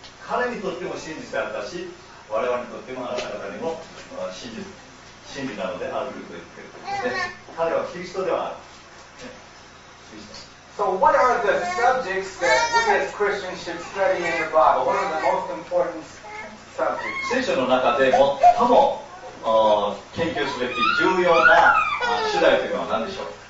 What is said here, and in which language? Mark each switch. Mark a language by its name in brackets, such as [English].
[Japanese] 彼にとっても真実だったし、我々にとってもあなた方にも真理なのであると言っているんですね。彼はキリストではある。 [English] So what are the subjects that we as Christians should study in the Bible? What are the most important subjects? [Japanese] 聖書の中で最も研究すべき重要な主題というのは何でしょう？